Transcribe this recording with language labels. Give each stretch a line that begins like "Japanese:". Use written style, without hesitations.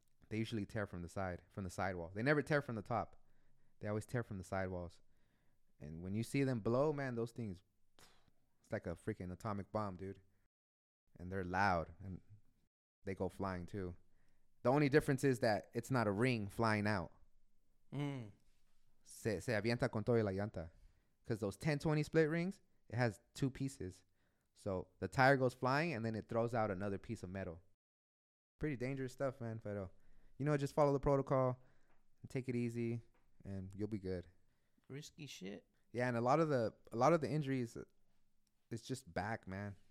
English: They usually tear from the side, from the sidewall. They never tear from the top. They always tear from the sidewalls. And when you see them blow, man, those things, it's like a freaking atomic bomb, dude. And they're loud and they go flying too. The only difference is that it's not a ring flying out.
Spanish: Se avienta con todo y la llanta.
English: Because those 10-20 split rings, it has 2 pieces. So the tire goes flying, and then it throws out another piece of metal. Pretty dangerous stuff, man. But, you know, just follow the protocol and take it easy, and you'll be good. Risky shit. Yeah, and a lot of the injuries, it's just back, man.